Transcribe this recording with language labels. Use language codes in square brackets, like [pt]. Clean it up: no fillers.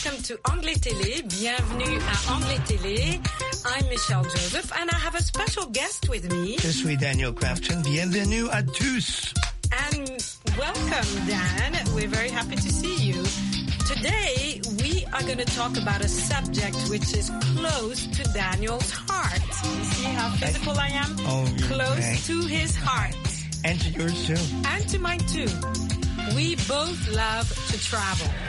[fr] To Anglais Télé, bienvenue à Anglais Télé. [en] I'm Michelle Joseph and I have a special guest with me. [fr] Je suis Daniel Crafton, bienvenue à tous. [en] And welcome, Dan. We're very happy to see you. Today, we are going to talk about a subject which is close to Daniel's heart. You see how physical I am? To his heart. And to yours too. And to mine too. We both love to travel.